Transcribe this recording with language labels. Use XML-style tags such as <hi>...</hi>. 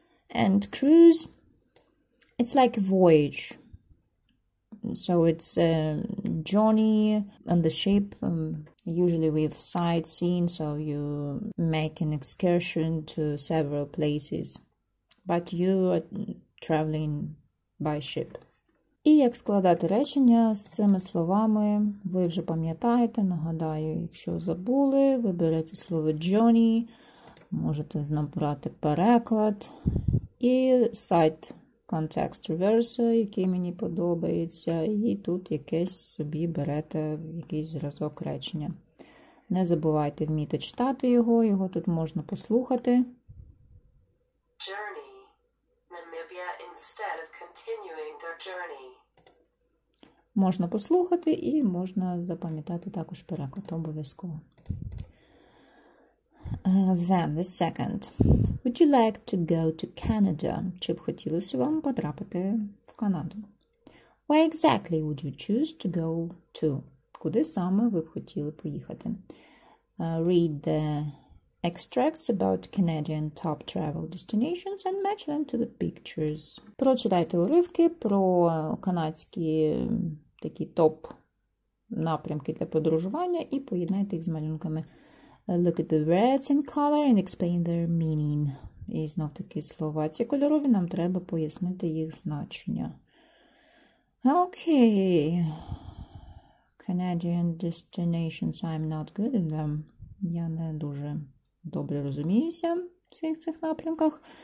<en>And cruise, it's like a voyage. So it's a journey on the ship, usually with sightseeing, so you make an excursion to several places. But you are traveling by ship.</en> <uk>І як складати речення з цими словами, ви вже пам'ятаєте, нагадаю, якщо забули, ви берете слово journey, можете набрати переклад і сайт Context Reverse, який мені подобається, і тут якесь собі берете якийсь зразок речення. Не забувайте вміти читати його, його тут можна послухати.</uk> <en>Journey. Namibia instead of continuing their journey.</en> <uk>Можна послухати і можна запам'ятати також переклад обов'язково.</uk> <en>Then the second. Would you like to go to Canada?</en> <uk>Чи б хотілося вам потрапити в Канаду?</uk> <en>Where exactly would you choose to go to?</en> <uk>Куди саме ви б хотіли поїхати?</uk> <en>Read the extracts about Canadian top travel destinations and match them to the pictures.</en> <uk>Прочитайте уривки про канадські такі топ напрямки для подорожування і поєднайте їх з малюнками.</uk> <en>Look at the reds in color and explain their meaning.</en> <uk>І знов таки слова ці кольорові, нам треба пояснити їх значення.</uk> <en>Okay. Canadian destinations, I'm not good in them.</en> <uk>Я не дуже добре розуміюся в всіх цих напрямках.</uk>